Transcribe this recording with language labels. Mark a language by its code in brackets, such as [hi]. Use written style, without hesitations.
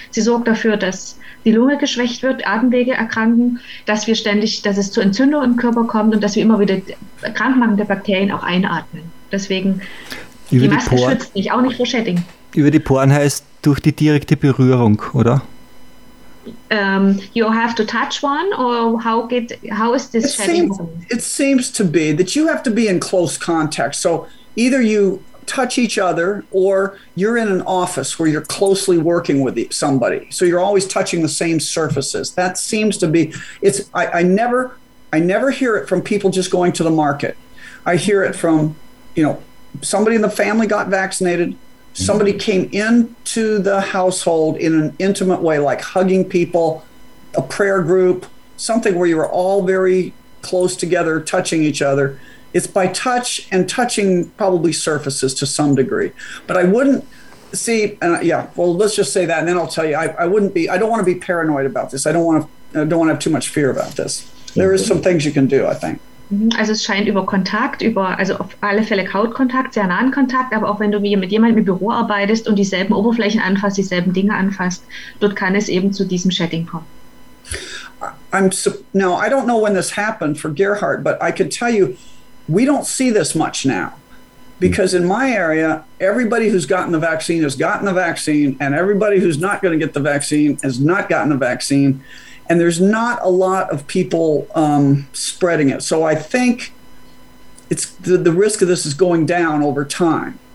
[de] Sie sorgt dafür, dass die Lunge geschwächt wird, Atemwege erkranken, dass wir ständig, dass es zu Entzündungen im Körper kommt und dass wir immer wieder krankmachende Bakterien auch einatmen. Deswegen Über die Maske schützt dich, auch nicht vor Shedding. Über die Poren heißt durch die direkte Berührung, oder? [en] You have to touch one, or how is this shedding? It seems to be that you have to be in close contact. So either you touch each other, or you're in an office where you're closely working with somebody. So you're always touching the same surfaces. That seems to be. I never hear it from people just going to the market. I hear it from, you know, somebody in the family got vaccinated. Somebody came into the household in an intimate way, like hugging people, a prayer group, something where you were all very close together, touching each other. It's by touch and touching probably surfaces to some degree. But I wouldn't see, let's just say that and then I'll tell you, I don't want to be paranoid about this. I don't want to have too much fear about this. There is some things you can do, I think. [de] Also es scheint über Kontakt, also auf alle Fälle Hautkontakt, sehr nahen Kontakt, aber auch wenn du mit jemandem im Büro arbeitest und dieselben Oberflächen anfasst, dieselben Dinge anfasst, dort kann es eben zu diesem Shedding kommen. [en] I don't know when this happened for Gerhard, but I can tell you, we don't see this much now. Because in my area, everybody who's gotten the vaccine has gotten the vaccine, and everybody who's not going to get the vaccine has not gotten the vaccine. And there's not a lot of people spreading it. So I think it's the risk of this is going down over time.